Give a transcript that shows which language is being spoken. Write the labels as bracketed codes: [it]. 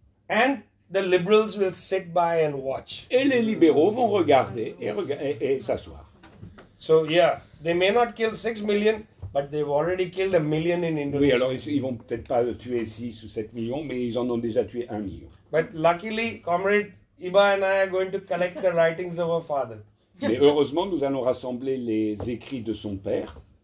[en] And the liberals will sit by and watch. [fr] Et les libéraux vont regarder et s'asseoir. [en] So, yeah, they may not kill 6 million, but they've already killed a million in Indonesia. [fr] Oui, alors ils ne vont peut-être pas tuer 6 ou 7 millions, mais ils en ont déjà tué 1 million. [en] But luckily, comrade Iba and I are going to collect the writings of our father. [fr] Mais heureusement, nous allons rassembler les écrits de son père.